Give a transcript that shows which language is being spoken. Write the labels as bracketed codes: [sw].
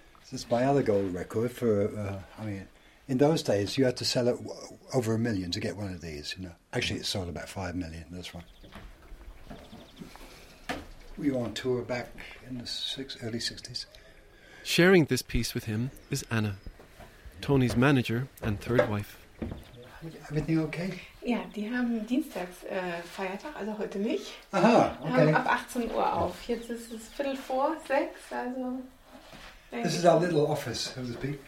[en] This is my other gold record for, in those days you had to sell it over a million to get one of these, you know. Actually, it sold about 5 million, this one. We were on tour back in the early 60s. Sharing this piece with him is Anna, Tony's manager and third wife. Everything okay? [de] Ja, die haben Dienstags Feiertag, also heute nicht. Aha, okay. Haben ab 18 Uhr auf. Jetzt ist es viertel vor sechs, also. [en] This is our little office, so to speak.